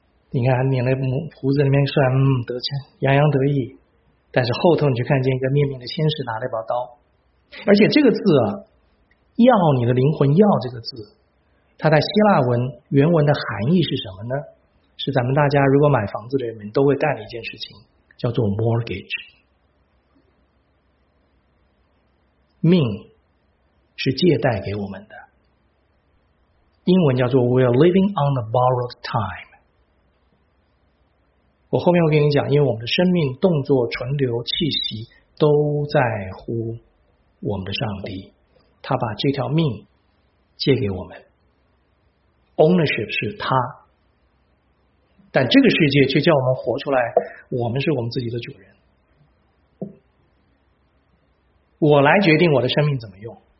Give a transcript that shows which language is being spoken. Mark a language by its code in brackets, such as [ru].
[zh] 你看，他捻了胡子里面算，得洋洋得意，但是后头你就看见一个面面的天使拿了一把刀，而且这个字啊，要你的灵魂要这个字，它在希腊文原文的含义是什么呢？是咱们大家如果买房子的人们都会干的一件事情，叫做 mortgage。命是借贷给我们的，英文叫做 [en] we are living on the borrowed time。 [zh] 我后面会跟你讲，因为我们的生命动作存留气息都在乎我们的上帝，他把这条命借给我们， ownership 是他，但这个世界却叫我们活出来，我们是我们自己的主人，我来决定我的生命怎么用。